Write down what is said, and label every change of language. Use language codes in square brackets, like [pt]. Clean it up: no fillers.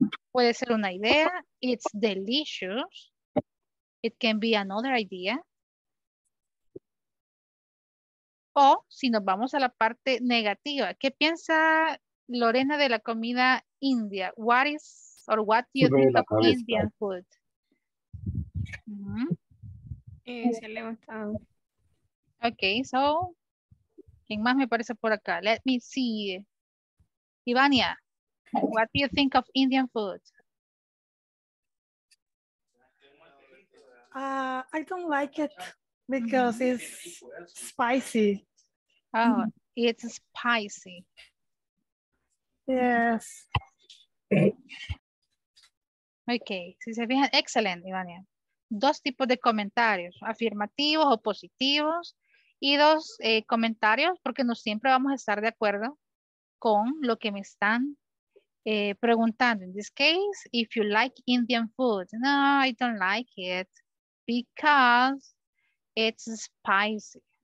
[es] Puede ser una idea. [en] It's delicious. It can be another idea. [es] O si nos vamos a la parte negativa. ¿Qué piensa Lorena de la comida india? [en] What is or what do you think of Indian food? [es] Se ha levantado. Okay, so, ¿quién más me parece por acá? [en] Let me see. Ivania, what do you think of Indian food? I don't like it because it's spicy. Oh, it's spicy. Yes. [es] Okay, si se fijan, excelente, Ivania. Dos tipos de comentarios, afirmativos o positivos. Y dos comentarios, porque no siempre vamos a estar de acuerdo con lo que me están preguntando. [en] In this case, if you like Indian food. No, I don't like it because it's spicy.